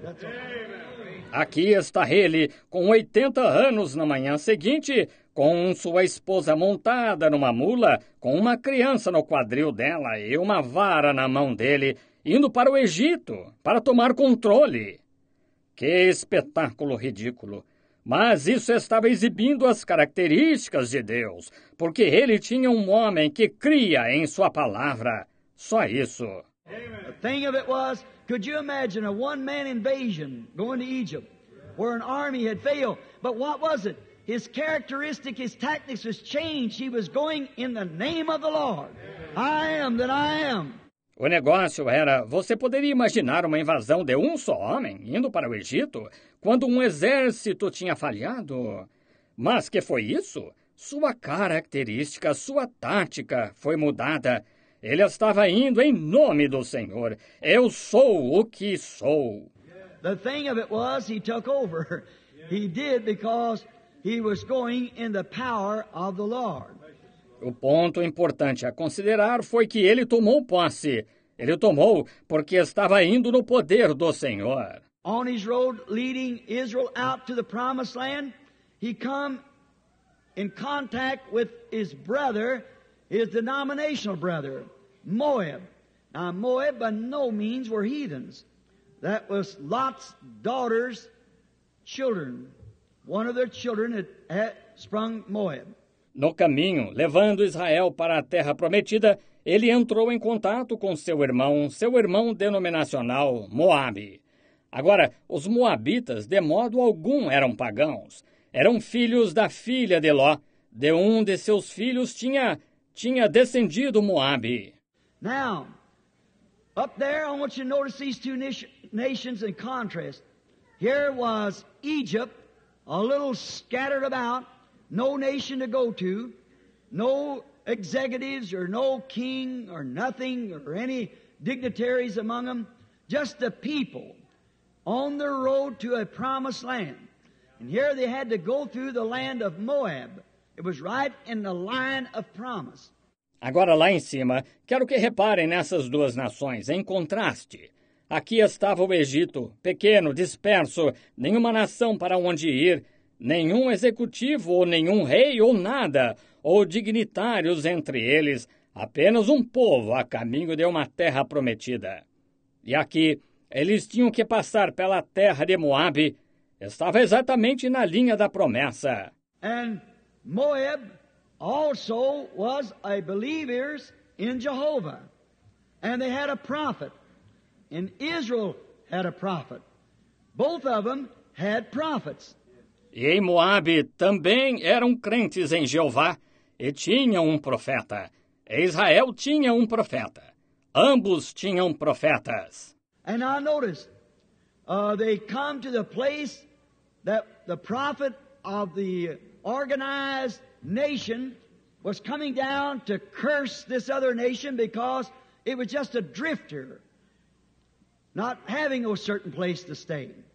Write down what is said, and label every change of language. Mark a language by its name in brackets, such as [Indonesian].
[English] That's all. [Portuguese] Aqui está ele, com 80 anos na manhã seguinte, com sua esposa montada numa mula, com uma criança no quadril dela e uma vara na mão dele, indo para o Egito, para tomar controle. Que espetáculo ridículo! Mas isso estava exibindo as características de Deus, porque ele tinha um homem que cria em sua palavra. Só isso. [English] The thing of it was, could you imagine a one-man invasion going to Egypt, where an army had failed? But what was it? His characteristic, his tactics was changed. He was going in the name of the Lord. I am that I am. [Portuguese] O negócio era, você poderia imaginar uma invasão de um só homem indo para o Egito quando um exército tinha falhado? Mas que foi isso? Sua característica, sua tática foi mudada. Ele estava indo em nome do Senhor. Eu sou o que sou. [English] The thing of it was, he took over. He did because he was going in the power of the Lord. [Portuguese] O ponto importante a considerar foi que ele tomou posse. Ele tomou porque estava indo no poder do Senhor. [English] On his road leading Israel out to the promised land, he come in contact with his brother, his denominational brother, Moab. Now, Moab by no means were heathens. That was Lot's daughter's children. One of their children had sprung Moab. [Portuguese] No caminho, levando Israel para a terra prometida, ele entrou em contato com seu irmão denominacional, Moabe. Agora, os moabitas, de modo algum, eram pagãos. Eram filhos da filha de Ló. De um de seus filhos tinha descendido Moabe. [English] Now, up there, I want you to notice these two nations in contrast. Here was Egypt, a little scattered about. No nation to go to, no executives or no king or nothing or any dignitaries among them, just the people on their road to a promised land. And here they had to go through the land of Moab. It was right in the line of promise. [Portuguese] Agora lá em cima, quero que reparem nessas duas nações, em contraste. Aqui estava o Egito, pequeno, disperso, nenhuma nação para onde ir. Nenhum executivo, ou nenhum rei, ou nada, ou dignitários entre eles, apenas um povo a caminho de uma terra prometida. E aqui, eles tinham que passar pela terra de Moabe, estava exatamente na linha da promessa. [English] And Moab also was a believer in Jehovah. And they had a prophet. And Israel had a prophet. Both of them had prophets. [Portuguese] E em Moabe também eram crentes em Jeová e tinham um profeta. E Israel tinha um profeta. Ambos tinham profetas. [English] And I noticed, they come to the place that the prophet of the organized nation was coming down to curse this other nation because it was just a drifter, not having a certain place to stay.